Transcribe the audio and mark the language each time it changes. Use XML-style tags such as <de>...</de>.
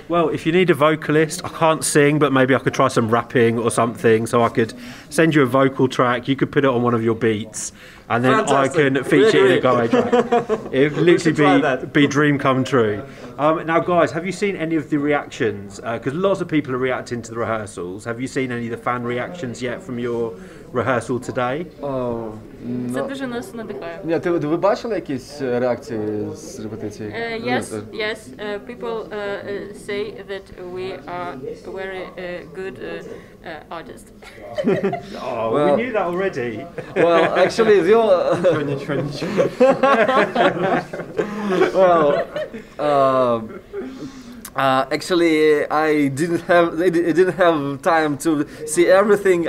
<en>Well, if you need a vocalist, I can't sing, but maybe I could try some rapping or something, so I could send you a vocal track, you could put it on one of your beats, and then fantastic. I can feature it in a guy track. It would literally be dream come true. Now, guys, have you seen any of the reactions? Because lots of people are reacting to the rehearsals. Have you seen any of the fan reactions yet from your rehearsal today?</en> <uk>Це дуже нас надихає. Ви бачили якісь реакції з репетиції?</uk> <en>Yes. People say that we are very good artist. Oh, well, we knew that already. Well, actually, the all... Well, actually, I didn't have time to see everything.</en>